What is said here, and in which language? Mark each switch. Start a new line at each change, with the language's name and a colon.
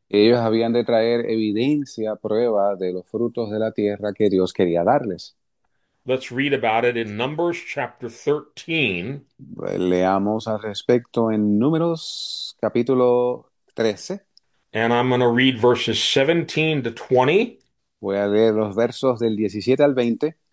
Spanish: Ellos habían de traer evidencia, prueba de los frutos de la tierra que Dios quería darles.
English: Let's read about it in Numbers chapter 13.
Spanish: Leamos al respecto en Números capítulo 13.
English: And I'm going to read verses 17 to 20.
Spanish: Voy a leer los versos del 17 al 20